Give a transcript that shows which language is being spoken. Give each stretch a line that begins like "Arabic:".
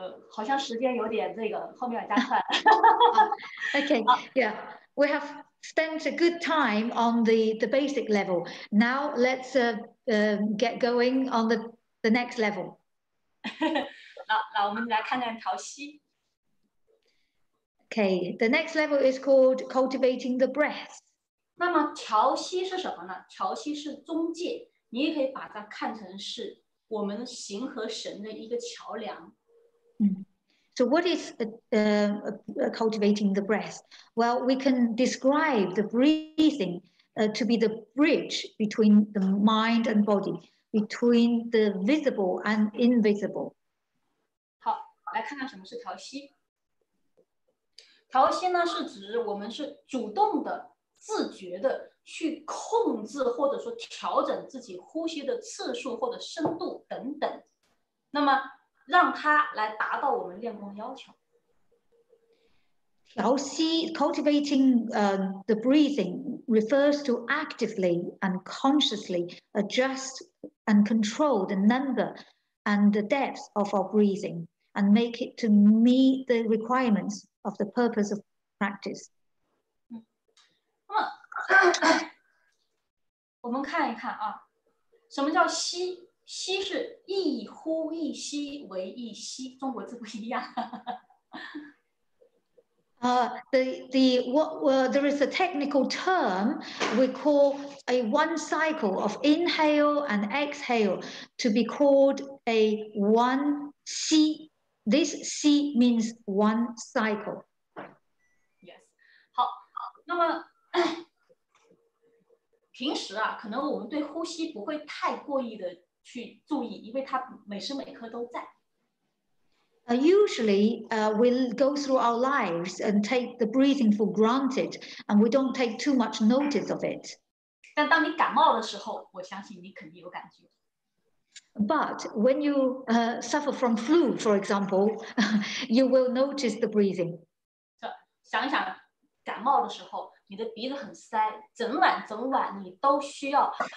Chinese: 好像时间有点这个，后面要加快。
English: Okay, yeah. We have spent a good time on the basic level. Now let'sget going on the next level.
Chinese: 那我们来看看调息。
English: Okay, the next level is called cultivating the breath.
Chinese: 那么调息是什么呢？调息是中介，你也可以把它看成是我们形和神的一个桥梁。
English: So what is cultivating the breath? Well, we can describe the breathing to be the bridge between the mind and body, between the visible and invisible.
Chinese: 好，来看看什么是调息。调息呢，是指我们是主动的、自觉的去控制或者说调整自己呼吸的次数或者深度等等。那么，让它来达到我们练功的要求。
English: 调息 cultivating the breathing refers to actively and consciously adjust and control the number and the depth of our breathing and make it to meet the requirements of the purpose of practice.
Chinese: 我们看一看啊，什么叫息？息是一呼一吸为一息，中国字不一样。
English: There is a technical term we call a one cycle of inhale and exhale to be called a one qi. This qi means one cycle. Yes.
Chinese: 好，那么平时啊，可能我们对呼吸不会太过意的去注意，因为它每时每刻都在。
English: Usually, we go through our lives and take the breathing for granted, and we don't take too much notice of it.
Chinese: 但当你感冒的时候，我相信你肯定有感觉。
English: But when you suffer from flu, for example, you will notice the breathing.
Chinese: 想一想，感冒的时候，你的鼻子很塞，整晚整晚你都需要